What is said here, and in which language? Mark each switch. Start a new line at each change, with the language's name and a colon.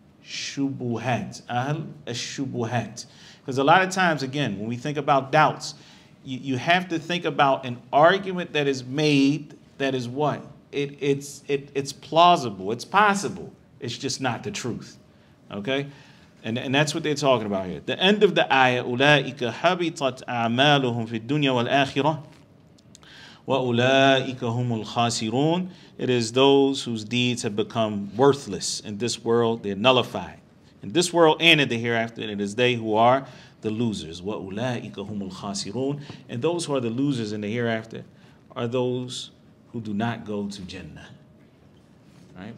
English: Shubuhat. Ahl ash-shubuhat. Because a lot of times, again, when we think about doubts, you have to think about an argument that is made that is what? It's plausible. It's possible. It's just not the truth. Okay? And that's what they're talking about here.
Arabic: The end of the ayah, أُولَٰئِكَ حَبِطَتْ أَعْمَالُهُمْ فِي الدُّنْيَا وَالْآخِرَةِ وَأُولَٰئِكَ هُمُ الْخَاسِرُونَ.
English: It is those whose deeds have become worthless in this world. They're nullified. In this world and in the hereafter, it is they who are the losers.
Arabic: وَأُولَٰئِكَ هُمُ الْخَاسِرُونَ.
English: And those who are the losers in the hereafter are those who do not go to Jannah. Right?